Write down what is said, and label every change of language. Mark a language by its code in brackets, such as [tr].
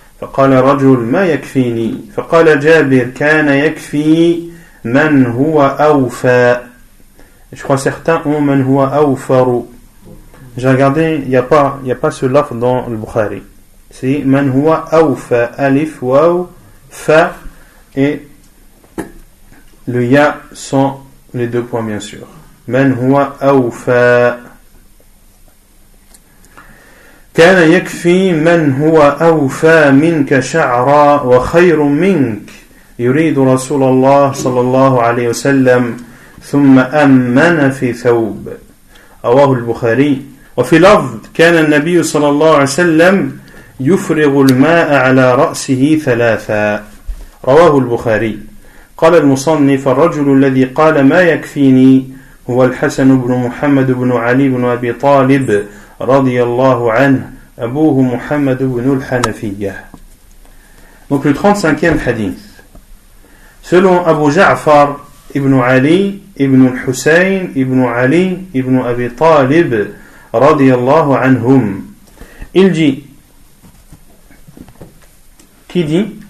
[ar] فقال رجل ما يكفيني فقال جابر كان يكفي من هو أوفى. [fr] Je crois certains ont [ar] من هو أوفر. [fr] J'ai regardé, il y a pas ce lafz dans le Bukhari. C'est [ar] من هو أوفى [fr] alif waw fa et le ya sans les deux points bien sûr. [ar] من هو أوفى كان يكفي من هو أوفى منك شعرا وخير منك يريد رسول الله صلى الله عليه وسلم ثم أمن في ثوب. رواه البخاري. وفي لفظ كان النبي صلى الله عليه وسلم يفرغ الماء على رأسه ثلاثا. رواه البخاري. قال المصنف الرجل الذي قال ما يكفيني هو الحسن بن محمد بن علي بن أبي طالب رضي الله عنه أبوه محمد بن الحنفية. [fr] Donc le 35e hadith. Selon Abu Ja'far ibn Ali ibn Hussein ibn Ali ibn Abi Talib [ar] رضي الله عنهم. [fr] Il dit. Qui dit?